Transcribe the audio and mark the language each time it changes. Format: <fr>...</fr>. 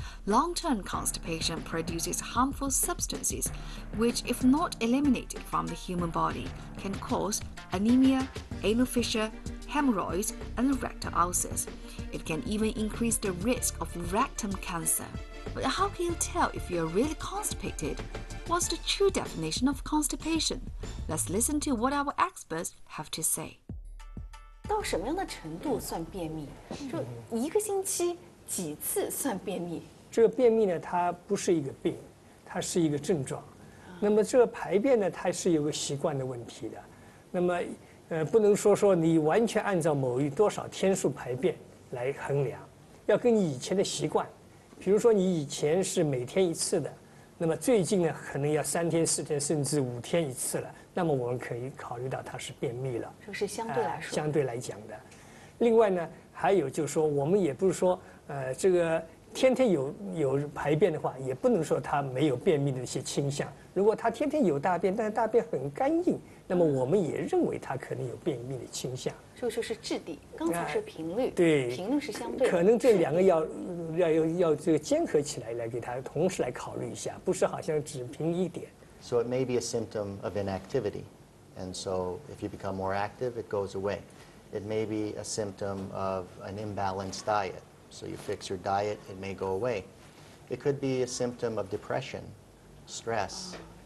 <en>Long-term constipation produces harmful substances, which, if not eliminated from the human body, can cause anemia, anal fissure, hemorrhoids, and rectal ulcers. It can even increase the risk of rectum cancer. But how can you tell if you're really constipated? What's the true definition of constipation? Let's listen to what our experts have to say.</en> <zh>到什么样的程度算便秘？就一个星期几次算便秘？这个便秘呢，它不是一个病，它是一个症状。那么这个排便呢，它是有个习惯的问题的。那么，不能说你完全按照某一多少天数排便来衡量，要跟你以前的习惯，比如说你以前是每天一次的。那么最近呢，可能要3天、4天，甚至5天一次了。那么我们可以考虑到它是便秘了，就是相对来说，相对来讲的。另外呢，还有就是说，我们也不是说，这个天天有排便的话，也不能说它没有便秘的一些倾向。如果它天天有大便，但是大便很干净，那么我们也认为它可能有便秘的倾向。所以说是质地，刚才是频率，对，频率是相对的，可能这两个要这个兼合起来，来给它同时来考虑一下，不是好像只凭一点。</zh> <en>So it may be a symptom of inactivity, and so if you become more active, it goes away. It may be a symptom of an imbalanced diet, so you fix your diet, it may go away. It could be a symptom of depression, stress.</en>